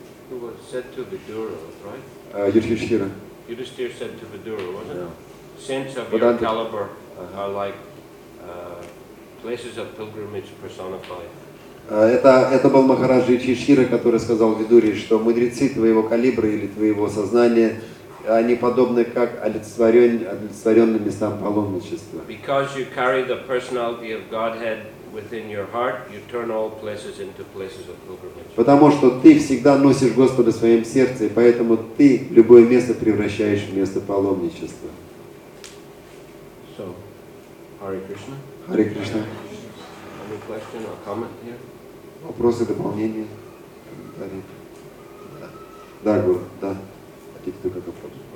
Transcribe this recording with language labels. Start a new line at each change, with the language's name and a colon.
English: Who was said to Vidura, right? Yudhishthira. Yudhishthira said to Vidura, wasn't it? Yeah. Saints of your caliber. Are like places of pilgrimage personified.
Russian: Это был Махараджа Юдхиштхира, который сказал Видуре, что мудрецы твоего калибра или твоего сознания, они подобны как олицетворенным местам паломничества.
English: Because you carry the personality of Godhead within your heart, you turn all places into places of pilgrimage.
Russian: Потому что ты всегда носишь Господа в своем сердце, и поэтому ты любое место превращаешь в место паломничества.
English: Hare Krishna. Any question or comment here?
Russian: Вопросы, дополнения, комментарии. Да, Гуру, да. Какие-то только вопросы.